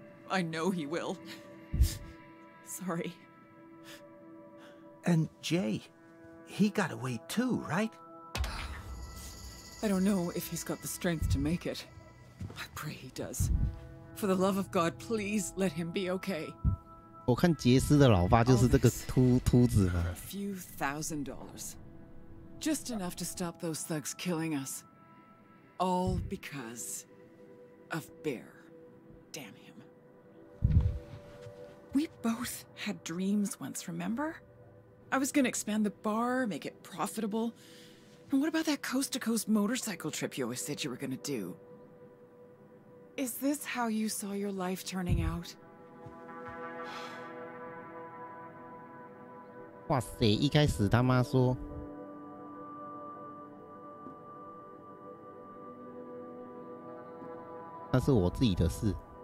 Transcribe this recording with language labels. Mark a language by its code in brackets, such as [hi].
[en] I know he will. Sorry. And Jay, he got away too, right? I don't know if he's got the strength to make it. I pray he does. For the love of God, please let him be okay. [zh] 我看杰斯的老爸就是这个秃子嘛。 [en] A few thousand dollars, just enough to stop those thugs killing us. All because of Bear. Damn him. We both had dreams once, remember? I was gonna expand the bar, make it profitable. And what about that coast-to-coast motorcycle trip you always said you were gonna do? Is this how you saw your life turning out? [zh] 哇塞！一开始他妈说，那是我自己的事。